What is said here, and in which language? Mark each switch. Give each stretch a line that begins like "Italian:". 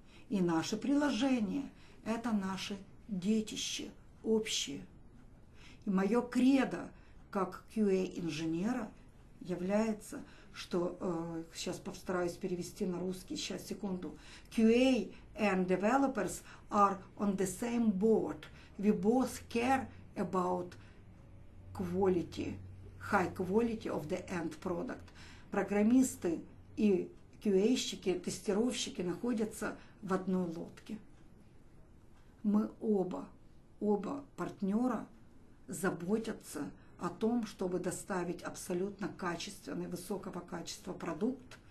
Russian: И наши приложения – это наше детище общее. И мое кредо как QA-инженера – является, что, сейчас постараюсь перевести на русский, сейчас, секунду,
English: QA and developers are on the same board. We both care about quality, high quality of the end product.
Russian: Программисты и QA-щики, тестировщики находятся в одной лодке. Мы оба партнера заботятся о том, чтобы доставить абсолютно качественный, высокого качества продукт